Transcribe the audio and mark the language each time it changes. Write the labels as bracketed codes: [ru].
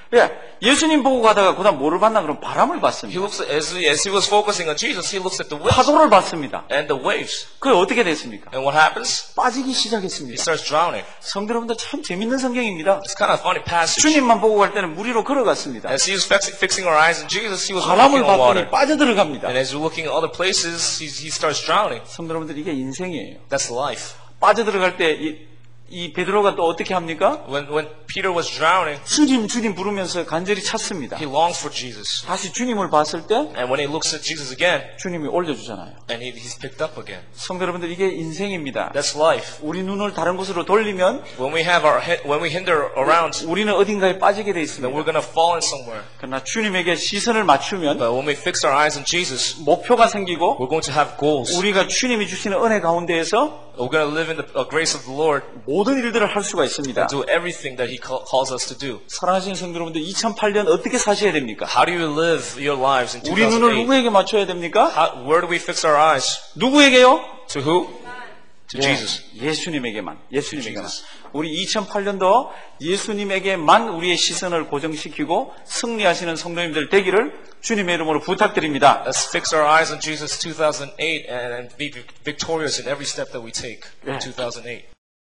[ko] 예, 예수님 보고 가다가 그다음 뭐를 봤나 그럼 바람을 봤습니다. [en] He looks as he was focusing on Jesus, he looks at the wind. [ko] 파도를 봤습니다. [en] And the waves. [ko] 그게 어떻게 됐습니까? [en] And what happens? [ko] 빠지기 시작했습니다. [en] He starts drowning. [ko] 성도 여러분들 참 재밌는 성경입니다. [en] It's kind of funny passage. [ko] 주님만 보고 갈 때는 물 위로 걸어갔습니다. [en] As he was fixing our eyes on Jesus, he was walking on water. [ko] 바람을 봤더니 빠져들어갑니다. [en] And as he's looking at other places, he starts drowning. [ko] 성도 여러분들 이게 인생이에요. [en] That's life. [ko] 빠져들어갈 때 이 베드로가 또 어떻게 합니까? [en] When Peter was drowning, [ko] 주님 부르면서 간절히 찾습니다. [en] He longs for Jesus. [ko] 다시 주님을 봤을 때, [en] and when he looks at Jesus again, [ko] 주님이 올려주잖아요. [en] And he's picked up again. [ko] 성도 여러분들 이게 인생입니다. [en] That's life. [ko] 우리 눈을 다른 곳으로 돌리면, [en] when we hinder around, [ko] 우리는 어딘가에 빠지게 돼 있습니다. [en] Then we're gonna fall in somewhere. [ko] 그러나 주님에게 시선을 맞추면, [en] but when we fix our eyes on Jesus, [ko] 목표가 생기고, [en] we're going to have goals. [ko] 우리가 주님이 주시는 은혜 가운데에서 [en] we're going to live in the grace of the Lord. [ko] 모든 일들을 할 수가 있습니다. [en] Do everything that he calls us to do. [ko] 사랑하시는 성도 여러분들 2008년 어떻게 사셔야 됩니까? [en] How do you live your lives in 2008? [ko] 우리 눈을 누구에게 맞춰야 됩니까? [en] Where do we fix our eyes? [ko] 누구에게요? [en] To who? To Jesus. [ko] 예수님에게만. 예수님에게만. 우리 2008년도 예수님에게만 우리의 시선을 고정시키고 승리하시는 성도님들 되기를 주님의 이름으로 부탁드립니다. [en] Let's fix our eyes on Jesus 2008 and be victorious in every step that we take in 2008.